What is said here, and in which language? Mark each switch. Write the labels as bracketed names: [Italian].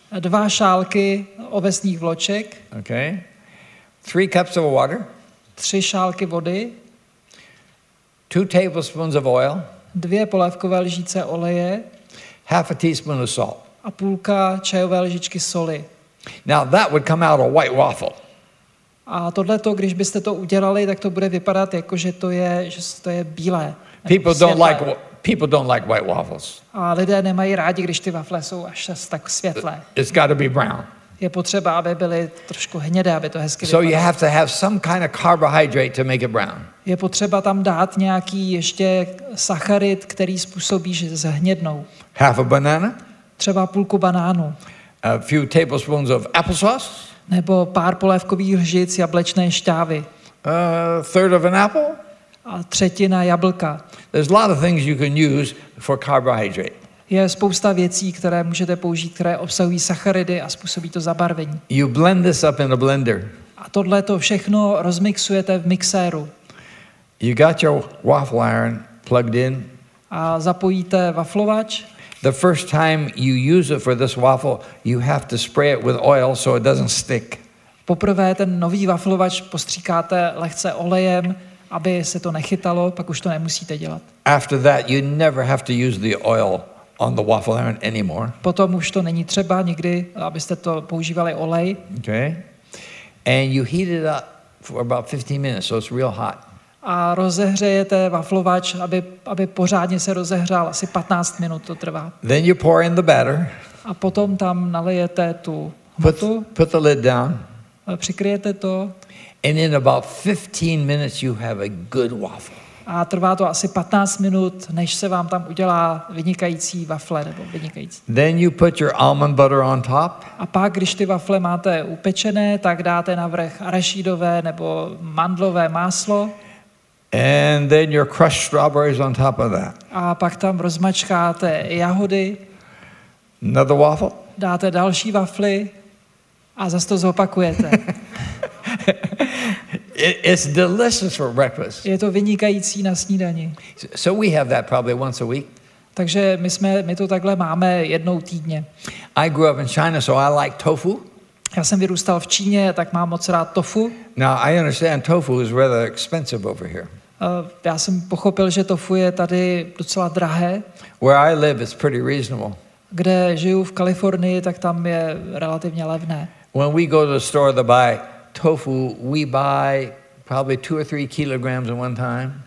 [Czech] Dva šálky ovesných vloček. [English] Okay. 3 cups of water. [Czech] Tři šálky vody. [English] 2 tablespoons of oil. [Czech] Dvě polévkové lžíce oleje. [English] Half a teaspoon of salt. [Czech] A půlka čajové lžičky soli. [English] Now that would come out a white waffle. [Czech] A tohle to, když byste to udělali, tak to bude vypadat jako že to je bílé. [English] People don't like white waffles. [Czech] A lidé nemají rádi, když ty wafle jsou až tak světlé. [English] It's got to be brown. [Czech] Je potřeba, aby byly trošku hnědé, aby to hezky vypadalo. [English] So you have to have some kind of carbohydrate to make it brown. [Czech] Je potřeba tam dát nějaký ještě sacharid, který způsobí, že zhnědnou. [English] Half a banana? [Czech] Třeba půlku banánu. [English] A few tablespoons of applesauce? [Czech] Nebo pár polévkových lžic jablečné šťávy. [English] A third of an apple? [Czech] A třetina jablka. [English] There's a lot of things you can use for carbohydrate. [Czech] Je spousta věcí, které můžete použít, které obsahují sacharidy a způsobí to zabarvení. [English] You blend this up in a blender. [Czech] A tohle to všechno rozmixujete v mixéru. [English] You got your waffle iron plugged in. [Czech] A zapojíte vaflovač. [English] The first time you use it for this waffle, you have to spray it with oil so it doesn't stick. [Czech] Poprvé ten nový vaflovač postříkáte lehce olejem, aby se to nechytalo, pak už to nemusíte dělat. [English] After that, you never have to use the oil on the waffle iron anymore. [Czech] Potom už to není třeba nikdy, abyste to používali olej. [English] Okay. And you heat it up for about 15 minutes, so it's real hot. [Czech] A rozehřejete vaflovač, aby pořádně se rozehřál, asi 15 minut to trvá. [English] Then you pour in the batter. [Czech] A potom tam nalijete tu hmotu. [English] Put the lid down. [Czech] Přikryjete to. [English] And in about 15 minutes you have a good waffle. [Czech] A trvá to asi 15 minut, než se vám tam udělá vynikající wafle nebo vynikající. [English] Then you put your almond butter on top. [Czech] A pak, když ty wafle máte upečené, tak dáte navrch arašídové nebo mandlové máslo. [English] And then your crushed strawberries on top of that. [Czech] A pak tam rozmačkáte jahody. [English] Another waffle. [Czech] Dáte další wafly a zase to zopakujete. [English] It's delicious for breakfast. [Czech] Je to vynikající na snídani. [English] So we have that probably once a week. [Czech] Takže my to takhle máme jednou týdně. [English] I grew up in China, so I like tofu. [Czech] Já jsem vyrůstal v Číně, tak mám moc rád tofu. [English] Now I understand tofu is rather expensive over here. [Czech] Já jsem pochopil, že tofu je tady docela drahé. [English] Where I live is pretty reasonable. [Czech] Kde žiju v Kalifornii, tak tam je relativně levné. [English] When we go to the store to buy tofu, we buy probably 2 or 3 kilograms at one time.